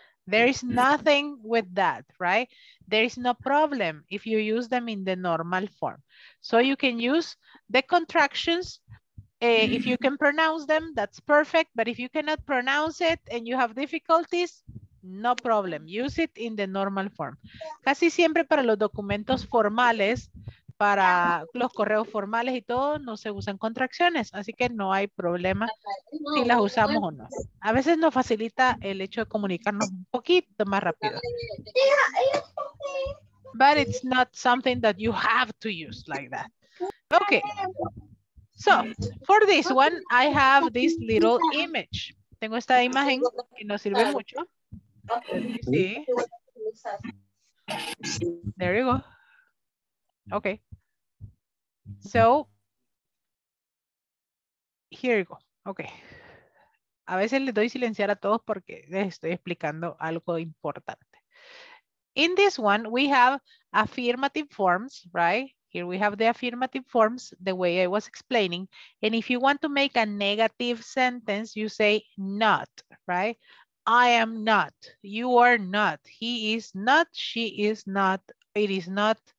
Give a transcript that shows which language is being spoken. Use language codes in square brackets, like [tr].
[en] There is nothing with that, right? There is no problem if you use them in the normal form. So you can use the contractions. If you can pronounce them, that's perfect. But if you cannot pronounce it and you have difficulties, no problem, use it in the normal form. [es] Casi siempre para los documentos formales, para los correos formales y todo, no se usan contracciones, así que no hay problema si las usamos o no. A veces nos facilita el hecho de comunicarnos un poquito más rápido. [en] But it's not something that you have to use like that. Okay, so for this one, I have this little image. [es] tengo esta imagen que nos sirve mucho. Sí. [en] There you go. Okay. So, here you go. Okay. [es] A veces les doy silenciar a todos porque les estoy explicando algo importante. [en] In this one, we have affirmative forms, right? Here we have the affirmative forms, the way I was explaining. And if you want to make a negative sentence, you say not, right? I am not, you are not, he is not, she is not, it is not.